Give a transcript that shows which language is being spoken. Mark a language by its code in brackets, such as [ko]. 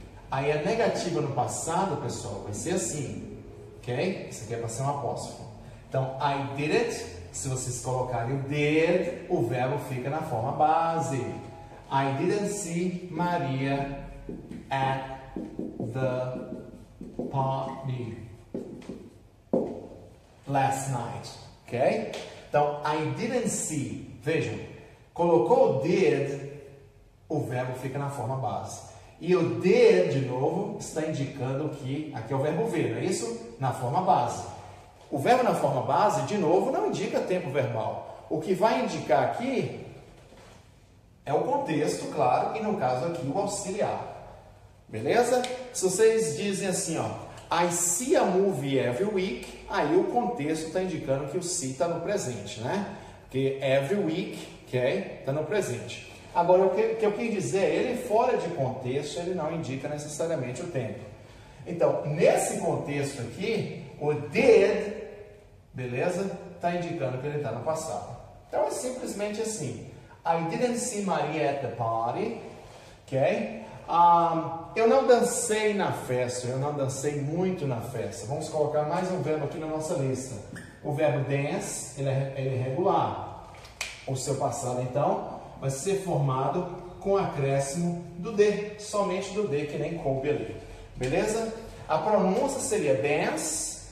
[pt] Aí a negativa no passado, pessoal, vai ser assim. Ok? Isso aqui é para ser um apóstrofo. Então, [en] I did it. [pt] Se vocês colocarem o did, o verbo fica na forma base. [en] I didn't see Maria at the party last night. [pt] Ok? Então, [en] I didn't see. [pt] Vejam. Colocou o did, o verbo fica na forma base. E o did, de novo, está indicando que aqui é o verbo ver, não é isso? Na forma base. O verbo na forma base, de novo, não indica tempo verbal. O que vai indicar aqui é o contexto, claro, e no caso aqui, o auxiliar. Beleza? Se vocês dizem assim, ó, [en] I see a movie every week, [pt] aí o contexto está indicando que o see está no presente, né? Porque [en] every week, [pt] ok, está no presente. Agora, o que eu quis dizer, ele fora de contexto, ele não indica necessariamente o tempo. Então, nesse contexto aqui, o did, beleza, está indicando que ele está no passado. Então, é simplesmente assim. [en] I didn't see Maria at the party. [pt] Ok? Eu não dancei na festa. Eu não dancei muito na festa. Vamos colocar mais um verbo aqui na nossa lista. O verbo dance, ele é regular. O seu passado, então, vai ser formado com acréscimo do D. Somente do D, que nem coube ali. Beleza? A pronúncia seria dance.